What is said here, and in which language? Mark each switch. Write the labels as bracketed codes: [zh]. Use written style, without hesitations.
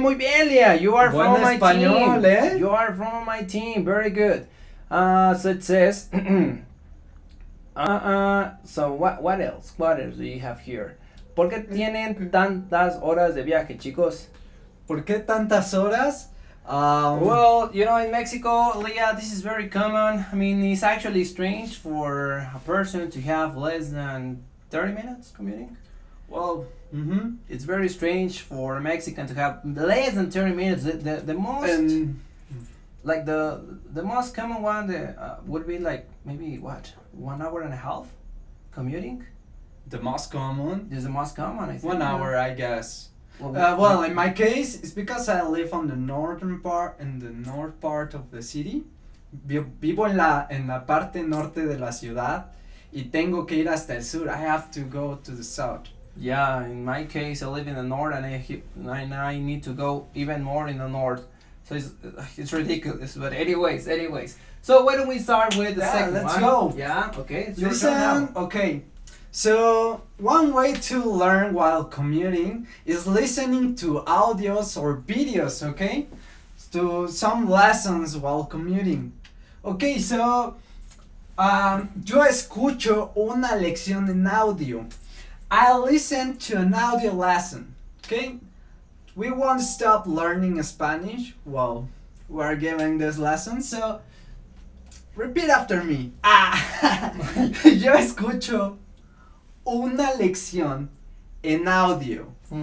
[es] Muy bien, Lia. [en] You are [es] buen [en] from [es] español, [en] my team. ¿Eh? You are from my team. Very good. So it says, so what else? What else do you have here? [es] ¿Por qué tienen tantas horas de viaje, chicos? ¿Por qué tantas horas? [en] Well, you know, in Mexico, Lia, this is very common. I mean, it's actually strange for a person to have less than 30 minutes commuting. Well, It's very strange for a Mexican to have less than 30 minutes. The most, like the most common one would be like maybe what, 1 hour and a half commuting? The most common? It's the most common, I think. 1 hour, I guess. Well, in my case, it's because I live on the northern part, in the north part of the city. [es] Vivo en la parte norte de la ciudad y tengo que ir hasta el sur. [en] I have to go to the south. Yeah, in my case, I live in the north and I need to go even more in the north. So it's ridiculous, but anyways. So why don't we start with the second let's one? Go. Yeah, okay. So listen, okay. So one way to learn while commuting is listening to audios or videos, okay? To some lessons while commuting. [es] Okay, so yo escucho una lección en audio. [en] I listen to an audio lesson, okay? We won't stop learning Spanish while we're giving this lesson, so repeat after me. [es] Yo escucho una lección en audio.